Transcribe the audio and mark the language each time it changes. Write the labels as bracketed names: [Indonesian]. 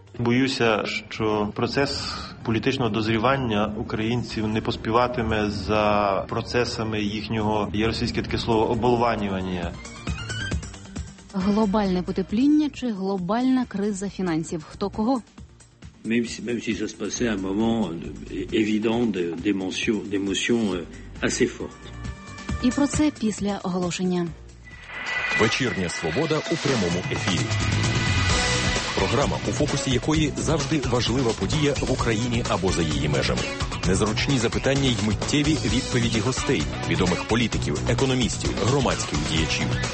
[Ukrainian] Боюся, що процес політичного дозрівання українців не поспіватиме за процесами їхнього, є російське таке слово, оболванювання. Глобальне потепління чи глобальна криза фінансів? Хто кого? [French] Même si ça se passait à un moment évident d'émotion assez forte. [Ukrainian] І про це після оголошення. Вечірня свобода у прямому ефірі. Програма, у фокусі якої завжди важлива подія в Україні або за її межами. Незручні запитання й миттєві відповіді гостей, відомих політиків, економістів, громадських діячів.